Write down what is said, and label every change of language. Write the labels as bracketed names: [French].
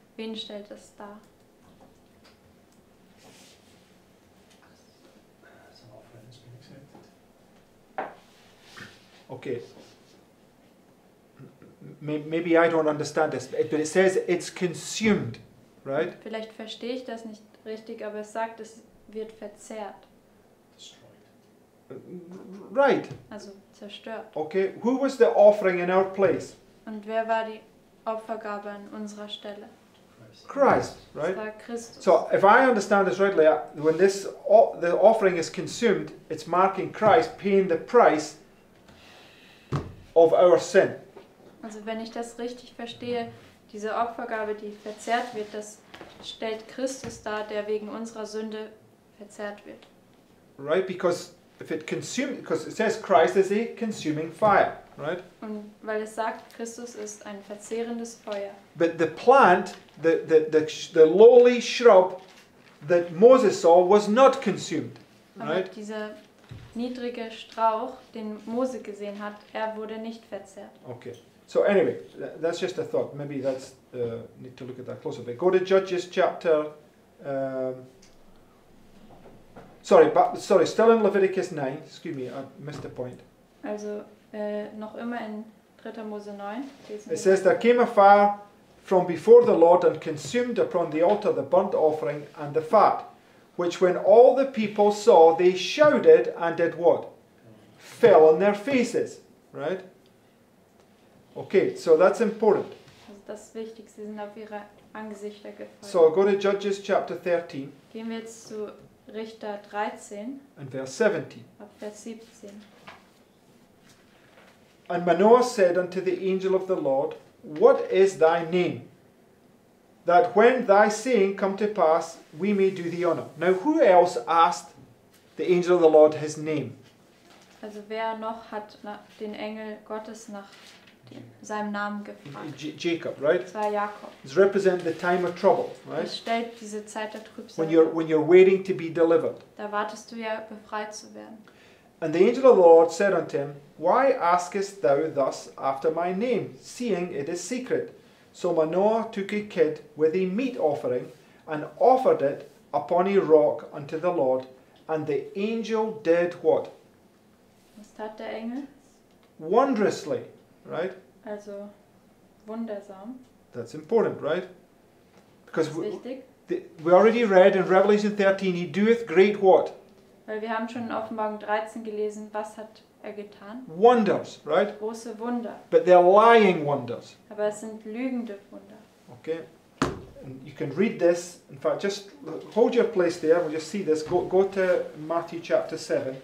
[German] Wen stellt es dar? [English] Okay. Maybe I don't understand this, but it says it's consumed, right? [German] Vielleicht verstehe ich das nicht richtig, aber es sagt, es wird verzehrt. [English] Destroyed. Right. [German] Also zerstört. [English] Okay. Who was the offering in our place? [German] Und wer war die Opfergabe an unserer Stelle? [English] Christ, right? [German] Es war Christus. [English] So if I understand this rightly, when this the offering is consumed, it's marking Christ paying the price of our sin. [German] Also wenn ich das richtig verstehe, diese Opfergabe, die verzehrt wird, das stellt Christus dar, der wegen unserer Sünde verzehrt wird. [English] Right, because it says Christ is a consuming fire, right? [German] Und weil es sagt, Christus ist ein verzehrendes Feuer. [English] But the plant, the lowly shrub that Moses saw was not consumed, right? [German] Aber dieser niedrige Strauch, den Mose gesehen hat, er wurde nicht verzehrt. [English] Okay, so anyway, that's just a thought. Maybe that's need to look at that closer. But go to Judges chapter. Still in Leviticus 9. Excuse me, I missed a point. [German] Also noch immer in 3. Mose 9. [English] It says, there came a fire from before the Lord and consumed upon the altar the burnt offering and the fat, which when all the people saw, they shouted and did what? Fell on their faces, right? Okay, so that's important. [German] Also das ist wichtig, sie sind auf ihre Angesichter gefallen. [English] So go to Judges chapter 13. [German] Gehen wir jetzt zu Richter 13. [English] And verse 17. [German] Ab Vers 17. [English] And Manoah said unto the angel of the Lord, what is thy name? That when thy saying come to pass, we may do thee honor. Now, who else asked the angel of the Lord his name? [German] Also, wer noch hat den Engel Gottes nach seinem Namen gefragt? [English] Jacob, right? [German] Es war Jakob. [English] It represents the time of trouble, right? [German] Es stellt diese Zeit der Trübsal. [English] When you're waiting to be delivered. [German] Da wartest du ja, befreit zu werden. [English] And the angel of the Lord said unto him, why askest thou thus after my name, seeing it is secret? So Manoah took a kid with a meat offering and offered it upon a rock unto the Lord. And the angel did what? [German] Was tat der Engel? [English] Wondrously, right? [German] Also, wundersam. [English] That's important, right? Because [German] das ist wichtig. [English] We already read in Revelation 13, he doeth great what? [German] Weil wir haben schon in Offenbarung 13 gelesen, was hat er getan? [English] Wonders, right? [German] Große Wunder. [English] But they're lying wonders. [German] Aber es sind lügende Wunder. [English] Okay. And you can read this. In fact, just hold your place there. We'll just see this. Go to Matthew chapter 7.